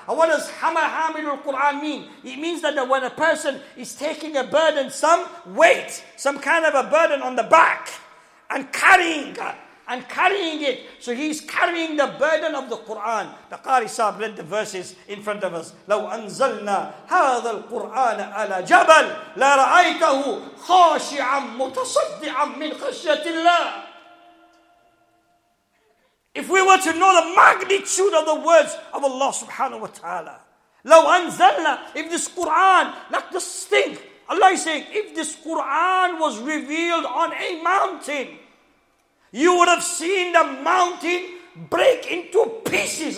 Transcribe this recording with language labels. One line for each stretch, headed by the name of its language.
English: And what does hamilul Quran mean? It means that when a person is taking a burden, some weight, some kind of a burden on the back, and carrying it. And carrying it. So he's carrying the burden of the Quran. The Qari Sahib read the verses in front of us.
Arabic: لو أنزلنا هذا القرآن على جبل لرأيته خاشعا متصدعا من خشية الله.
English: If we were to know the magnitude of the words of Allah subhanahu wa ta'ala.
Arabic: لو أنزلنا,
English: if this Quran, like the stink, Allah is saying, if this Quran was revealed on a mountain, you would have seen the mountain break into pieces.